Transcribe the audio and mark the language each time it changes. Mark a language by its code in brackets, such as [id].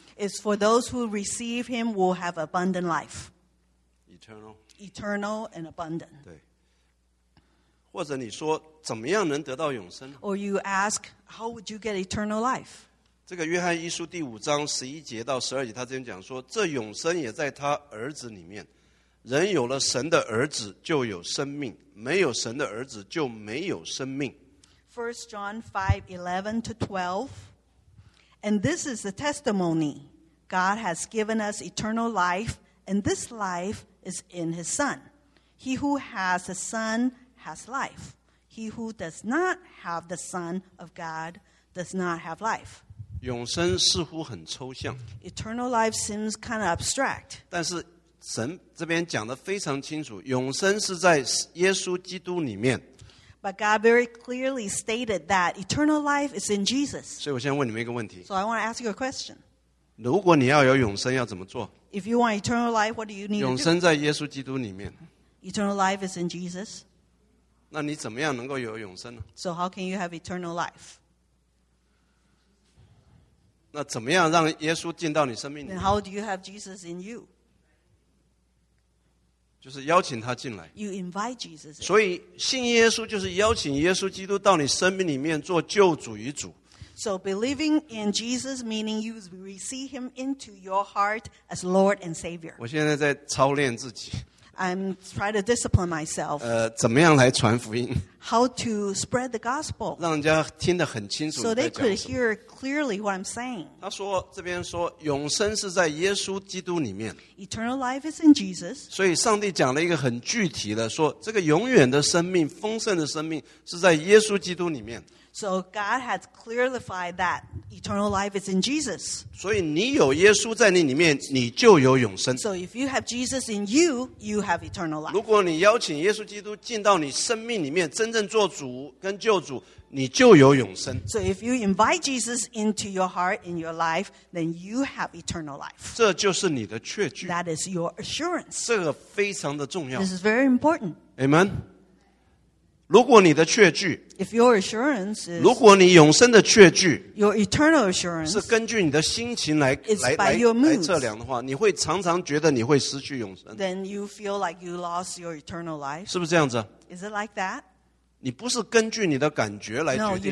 [en] It's for those who receive him will have abundant life. Eternal. Eternal and abundant. [zh] 对。或者你说怎么样能得到永生？ [en] Or you ask, how would you get eternal life? [zh] 这个约翰一书第五章十一节到十二节，他这边讲说，这永生也在他儿子里面。人有了神的儿子就有生命，没有神的儿子就没有生命。 [en] 1 John 5, 11 to 12. And this is the testimony. God has given us eternal life, and this life is in his Son. He who has the Son has life. He who does not have the Son of God does not have life. [zh] 永生似乎很抽象, [en] eternal life seems kind of abstract. [zh] 但是神这边讲得非常清楚, 永生是在耶稣基督里面。 [en] But God very clearly stated that eternal life is in Jesus. [zh] 所以我先问你们一个问题。 [en] So I want to ask you a question. [zh] 如果你要有永生, 要怎么做? [en] If you want eternal life, what do you need? [zh] 永生在耶稣基督里面。 [en] Eternal life is in Jesus. [zh] 那你怎么样能够有永生呢? [en] So how can you have eternal life? [zh] 那怎么样让耶稣进到你生命里面? [en] And how do you have Jesus in you? [zh] 就是邀请他进来。 [en] You invite Jesus in. [zh] 所以信耶稣就是邀请耶稣基督到你生命里面做救主与主。 [en] So believing in Jesus, meaning you receive him into your heart as Lord and Savior. [zh] 我现在在操练自己。 [en] I'm trying to discipline myself. [zh] 怎么样来传福音? [en] How to spread the gospel. [zh] 让人家听得很清楚。 [en] So they could hear clearly what I'm saying. [zh] 他说,这边说, 永生是在耶稣基督里面。 [en] Eternal life is in Jesus. [zh] 所以上帝讲了一个很具体的, 说, 这个永远的生命, 丰盛的生命, 是在耶稣基督里面。 [en] So God has clarified that eternal life is in Jesus. [zh] 所以你有耶稣在你里面, 你就有永生。 [en] So if you have Jesus in you, you have eternal life. [zh] 如果你邀请耶稣基督进到你生命里面, 真正做主跟救主, 你就有永生。 [en] So if you invite Jesus into your heart, in your life, then you have eternal life. [zh] 这就是你的确据。 [en] That is your assurance. [zh] 这个非常的重要。 [en] This is very important. [zh] Amen. 如果你的确据, [en] if your assurance is, [zh] 如果你永生的确据, [en] your eternal assurance [zh] 是根据你的心情来, [en] is by your moods, [zh] 来测量的话, 你会常常觉得你会失去永生, [en] then you feel like you lost your eternal life. [zh] 是不是这样子? [en] Is it like that? [zh] 你不是根据你的感觉来决定,